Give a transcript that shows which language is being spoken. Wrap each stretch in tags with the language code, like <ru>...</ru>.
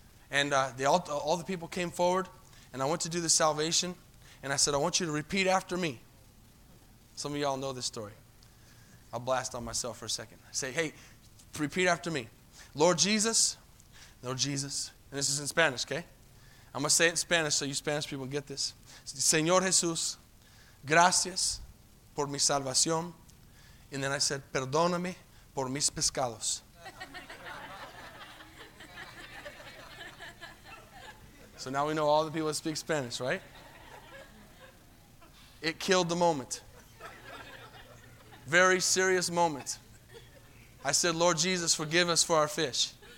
<en>And all the people came forward, and I went to do the salvation, and I said, I want you to repeat after me. Some of y'all know this story. I'll blast on myself for a second. I say, hey, repeat after me. Lord Jesus, and this is in Spanish, okay? I'm going to say it in Spanish so you Spanish people can get this.</en> <es>Señor Jesús, gracias por mi salvación.</es> <en>And then I said,</en> <es>perdóname por mis pescados.</es> <en>So now we know all the people that speak Spanish, right? It killed the moment. Very serious moment. I said, Lord Jesus, forgive us for our fish.</en>